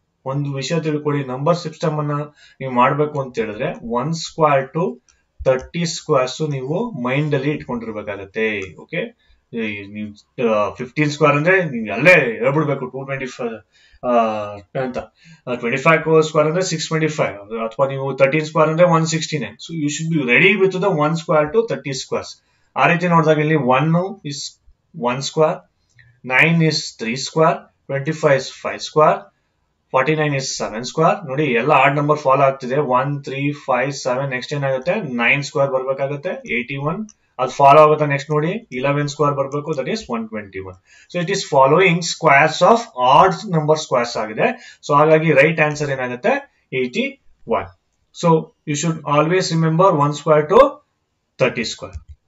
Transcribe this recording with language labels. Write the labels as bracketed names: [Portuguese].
[Kannada] ಒಂದು ವಿಷಯ ತಿಳ್ಕೊಳ್ಳಿ, ನಂಬರ್ ಸಿಸ್ಟಮ್ ಅನ್ನ ನೀವು ಮಾಡಬೇಕು ಅಂತ ಹೇಳಿದ್ರೆ 1 square to 30 squares ನೀವು ಮೈಂಡ್ ಅಲ್ಲಿ ಇಟ್ಕೊಂಡಿರ್ಬೇಕಾಗತ್ತೆ. ಓಕೆ, ನೀವು 15 square ಅಂದ್ರೆ ನಿಮ್ಗೆ ಅಲ್ಲೇ ಹೇಳ್ಬಿಡ್ಬೇಕು 225 ಅಂತ. 25 square ಅಂದ್ರೆ 625, ಅಥವಾ ನೀವು 13 square ಅಂದ್ರೆ 169. [English] So you should be ready with the 1 square to 30 squares. [Kannada] ಆ ರೀತಿ ನೋಡಿದಾಗ ಇಲ್ಲಿ [English] 1 is 1 square, 9 is 3 square, 25 is 5 square, 49 is 7 square. [Kannada] ನೋಡಿ ಎಲ್ಲ ಆಡ್ ನಂಬರ್ ಫಾಲೋ ಆಗ್ತಿದೆ. 1, 3, 5, 7, ನೆಕ್ಸ್ಟ್ ಏನಾಗುತ್ತೆ? 9 square ಬರ್ಬೇಕಾಗತ್ತೆ, 81. ಅದು ಫಾಲೋ ಆಗುತ್ತೆ ನೆಕ್ಸ್ಟ್ ನೋಡಿ, 11 square ಬರ್ಬೇಕು, [English] That is 121. So it is following squares of odd number squares ಆಗಿದೆ. [Kannada] ಸೊ ಹಾಗಾಗಿ ರೈಟ್ ಆನ್ಸರ್ ಏನಾಗುತ್ತೆ? 81. [English] So you should always remember 1 square to 30 square.